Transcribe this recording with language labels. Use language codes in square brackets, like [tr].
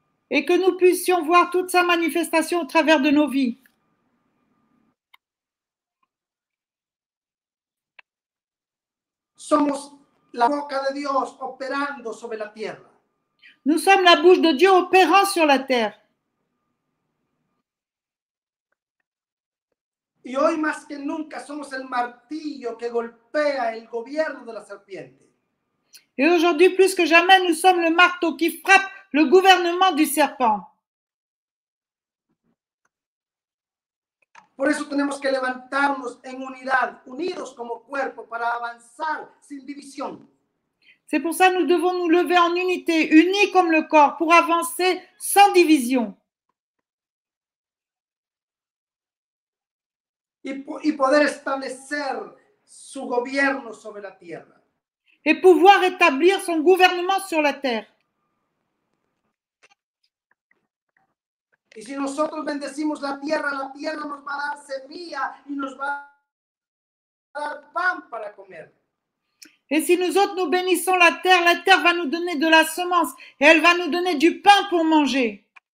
[fr] Et que nous puissions voir toute sa manifestation au travers de nos vies. [es] Somos la boca de Dios operando sobre la tierra. [fr] Nous sommes la bouche de Dieu opérant sur la terre. [es] Y hoy más que nunca somos el martillo que golpea el gobierno de la serpiente. [fr] Et aujourd'hui, plus que jamais, nous sommes le marteau qui frappe le gouvernement du serpent. [es] Por eso tenemos que levantarnos en unidad, unidos como cuerpo, para avanzar sin división. [fr] C'est pour ça que nous devons nous lever en unité, unis comme le corps, pour avancer sans division. [es] Y poder establecer su gobierno sobre la tierra. [fr] Et pouvoir établir son gouvernement sur la terre. [es] Y si nosotros bendecimos la tierra nos va a dar semilla y nos va a dar pan para comer. [fr] Et si nous autres nous bénissons la terre va nous donner de la semence et elle va nous donner du pain pour manger.